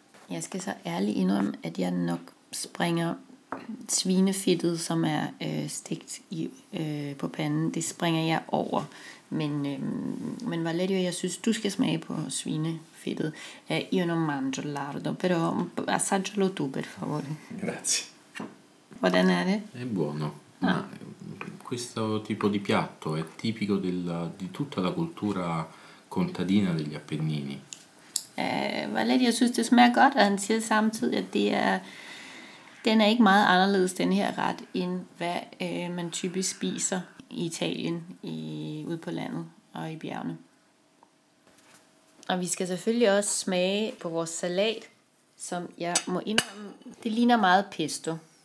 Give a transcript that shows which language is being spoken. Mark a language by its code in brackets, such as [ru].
[da] Jeg skal så ærligt indrømme, at jeg nok springer svinefittet, som er stegt på panden. Det springer jeg over. Men Valerio, jeg synes, du skal smage på svinefedtet. [it] Io non mangio lardo, però assaggialo tu, per favore. Grazie. [da] Hvordan er det? [it] È buono. Ah. Ma questo tipo di piatto è tipico di tutta la cultura contadina degli Appennini. [da] Valerio, jeg synes, det smager godt, og han siger samtidig, at den er ikke meget anderledes, den her ret, end hvad man typisk spiser i Italien, ude på landet og i bjergene. Og vi skal selvfølgelig også smage på vores salat, som jeg må indrømme, det ligner meget pesto.